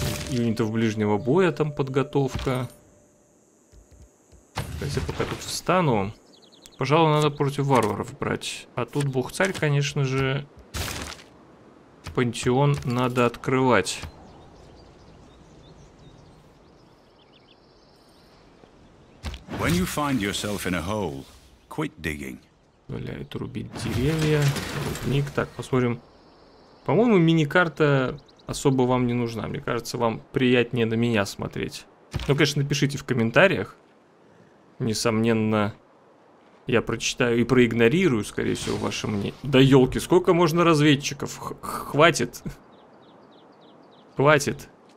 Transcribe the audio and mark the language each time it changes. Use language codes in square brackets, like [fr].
[ru] Юнитов ближнего боя там подготовка. Кстати, пока тут встану. Пожалуй, надо против варваров брать. А тут бог-царь, конечно же. Пантеон надо открывать. [en] When you find yourself in a hole, quit digging. [ru] Валяет рубить деревья. Рудник. Так, посмотрим. По-моему, мини-карта особо вам не нужна. Мне кажется, вам приятнее на меня смотреть. Ну, конечно, напишите в комментариях. Несомненно, я прочитаю и проигнорирую, скорее всего, ваше мнение. Да елки, сколько можно разведчиков? Хватит. Хватит.